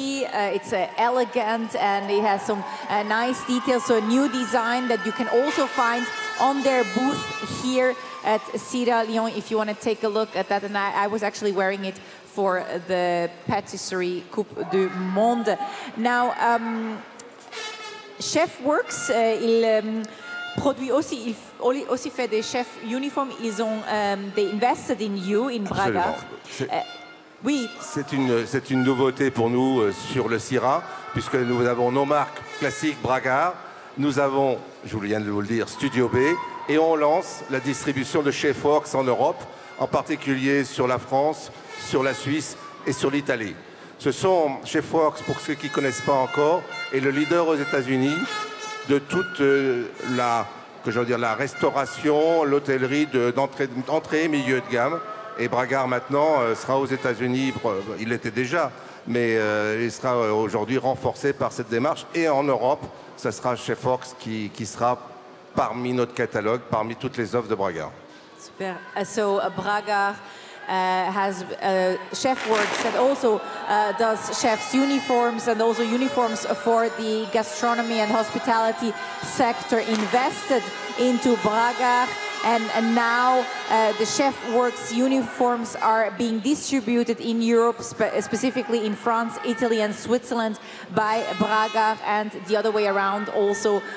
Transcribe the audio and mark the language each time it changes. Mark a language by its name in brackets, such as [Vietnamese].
[English] It's elegant and it has some nice details, so a new design that you can also find on their booth here at Sierra Leone if you want to take a look at that. And I was actually wearing it for the Pâtisserie Coupe du Monde. [French] Now, Chef Works, il produit aussi, il aussi fait des chefs uniformes. Ils ont, [English] they invested in you, in Braga. Oui. [French] C'est une nouveauté pour nous sur le CIRA, puisque nous avons nos marques classiques Braga. Nous avons, je viens de vous le dire, Studio B. Et on lance la distribution de Chef Works en Europe, en particulier sur la France, sur la Suisse et sur l'Italie. Ce sont Chef Works, pour ceux qui ne connaissent pas encore, est le leader aux États-Unis de toute la restauration, l'hôtellerie d'entrée et milieu de gamme. Et Bragard maintenant sera aux États-Unis, il l'était déjà, mais il sera aujourd'hui renforcé par cette démarche. Et en Europe, ce sera Chef Works qui sera parmi notre catalogue, parmi toutes les offres de Bragard. Super. [English] So, Bragard has Chef Works that also does chef's uniforms and also uniforms for the gastronomy and hospitality sector, invested into Bragard, and now the Chef Works uniforms are being distributed in Europe, specifically in France, Italy and Switzerland by Bragard, and the other way around also.